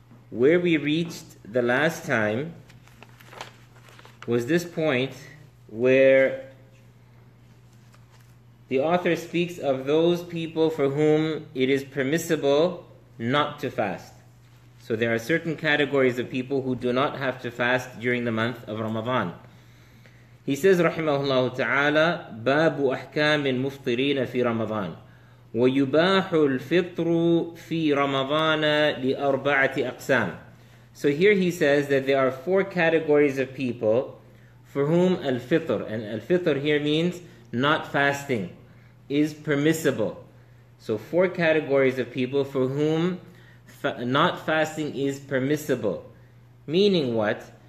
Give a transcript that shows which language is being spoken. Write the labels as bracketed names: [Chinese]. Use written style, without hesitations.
[English] Where we reached the last time was this point where the author speaks of those people for whom it is permissible not to fast. So there are certain categories of people who do not have to fast during the month of Ramadan. He says, [Arabic] رحمه تعالى, باب أحكام المفطرين في رمضان ويباح الفطر في رمضان لأربعة أقسام. [English] So here he says that there are four categories of people for whom al-fitr, and al-fitr here means not fasting, is permissible. So four categories of people for whom not fasting is permissible. Meaning what?